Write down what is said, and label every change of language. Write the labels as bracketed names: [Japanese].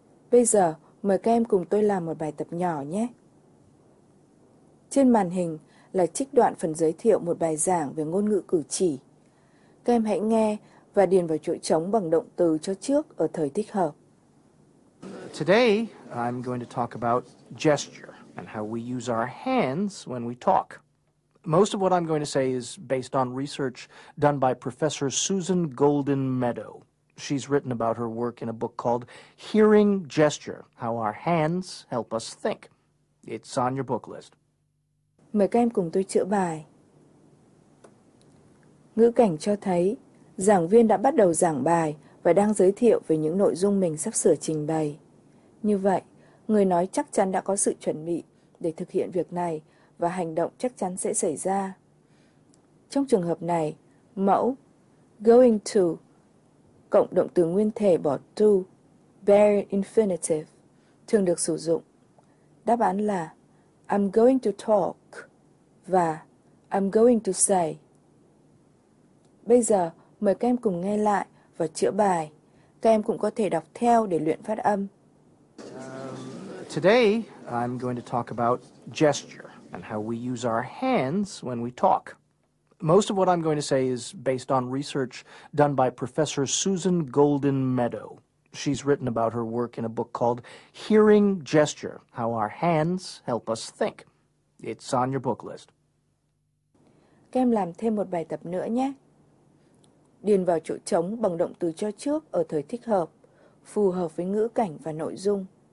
[Vietnamese] Bây giờ, mời các em cùng tôi làm một bài tập nhỏ nhé. Trên màn hình là trích đoạn phần giới thiệu một bài giảng về ngôn ngữ cử chỉ. Các em hãy nghe và điền vào chỗ trống bằng động từ cho trước ở thời thích hợp. [English] Today, I'm going to talk about gesture and how we use our hands when we talk. Most of what I'm going to say is based on research done by Professor Susan Golden Meadow. She's written about her work in a book called Hearing Gesture, How Our Hands Help Us Think. It's on your book list. [Vietnamese] Mời các em cùng tôi chữa bài. Ngữ cảnh cho thấy, giảng viên đã bắt đầu giảng bài và đang giới thiệu về những nội dung mình sắp sửa trình bày. Như vậy, người nói chắc chắn đã có sự chuẩn bị để thực hiện việc này và hành động chắc chắn sẽ xảy ra. Trong trường hợp này, mẫu going to cộng động từ nguyên thể bỏ to, [English] bare infinitive, [Vietnamese] thường được sử dụng. Đáp án là [English] I'm going to talk [Vietnamese] và [English] I'm going to say. [Vietnamese] Bây giờ, mời các em cùng nghe lại và chữa bài. Các em cũng có thể đọc theo để luyện phát âm. [English] Today, I'm going to talk about gesture and how we use our hands when we talk. Most of what I'm going to say is based on research done by Professor Susan Golden Meadow. She's written about her work in a book called Hearing Gesture, How Our Hands Help Us Think. It's on your book list. [Vietnamese] Các em làm thêm một bài tập nữa nhé. Điền vào chỗ trống bằng động từ cho trước ở thời thích hợp, phù hợp với ngữ cảnh và nội dung.